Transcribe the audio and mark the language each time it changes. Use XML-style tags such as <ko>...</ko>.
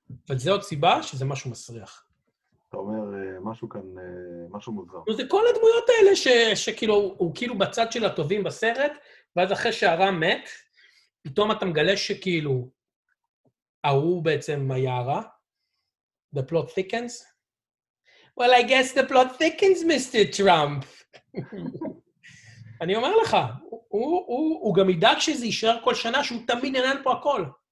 <he>אבל זה עוד סיבה שזה משהו מסריח. אתה אומר משהו כאן, משהו מוזר. זה כל הדמויות האלה שכאילו, הוא כאילו בצד של הטובים בסרט, ואז אחרי שהרע מת, פתאום אתה מגלה שכאילו, ההוא בעצם היה הרע.</he> <en>The plot thickens. Well, I guess the plot thickens, Mr. Trump.</en> <he>אני אומר לך, הוא גם ידאג שזה יישאר כל שנה, שהוא תמיד נהנה פה הכל.</he>